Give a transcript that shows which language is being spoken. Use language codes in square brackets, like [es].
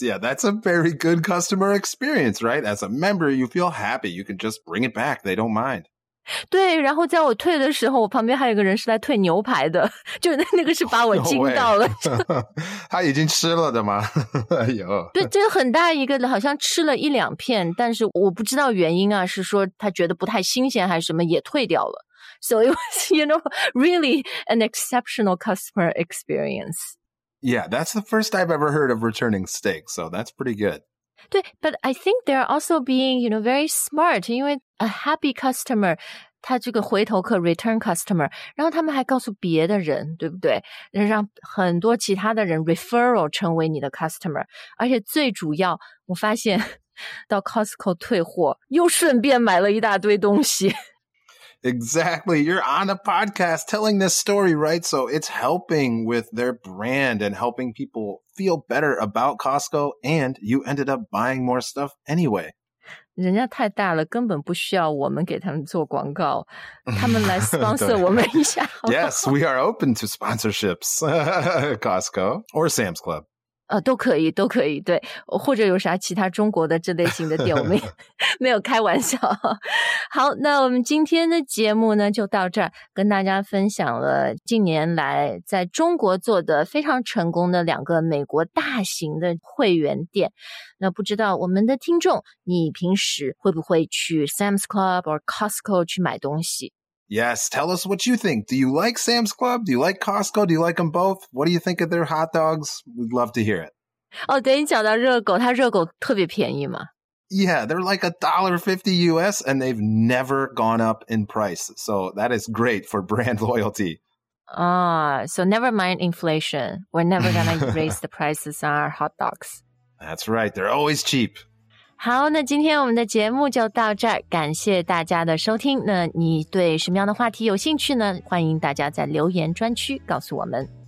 [en] Yeah, that's a very good customer experience, right? As a member, you feel happy. You can just bring it back. They don't mind. [zh] 对，然后在我退的时候，我旁边还有个人是来退牛排的，就是那个是把我惊到了。他已经吃了的吗？有。对，这个很大一个的，好像吃了一两片，但是我不知道原因啊，是说他觉得不太新鲜还是什么，也退掉了。 [en] So it was, you know, really an exceptional customer experience. Yeah, that's the first I've ever heard of returning steak, so that's pretty good. 对 but I think they're also being, you know, very smart, 因为 a happy customer, [zh] 他这个回头客 [en] return customer, [zh] 然后他们还告诉别的人，对不对？让很多其他的人 referral 成为你的 customer, 而且最主要，我发现到 Costco 退货，又顺便买了一大堆东西。 [en] Exactly. You're on a podcast telling this story, right? So it's helping with their brand and helping people feel better about Costco. And you ended up buying more stuff anyway. [zh] 人家太大了，根本不需要我们给他们做广告。他们来 sponsor 我们一下。 [en] Yes, we are open to sponsorships. Costco or Sam's Club. [zh] 都可以都可以，对，或者有啥其他中国的这类型的店，我们没有开玩笑。好，那我们今天的节目呢就到这儿，跟大家分享了近年来在中国做的非常成功的两个美国大型的会员店。那不知道我们的听众，你平时会不会去 Sam's Club or Costco 去买东西？ [en] Yes, tell us what you think. Do you like Sam's Club? Do you like Costco? Do you like them both? What do you think of their hot dogs? We'd love to hear it. [zh] Oh, 对，你讲到热狗，它热狗特别便宜吗？ [en] Yeah, they're like $1.50 US and they've never gone up in price. So that is great for brand loyalty. So never mind inflation. We're never going to raise the prices on our hot dogs. That's right. They're always cheap. [zh] 好，那今天我们的节目就到这儿，感谢大家的收听。那你对什么样的话题有兴趣呢？欢迎大家在留言专区告诉我们。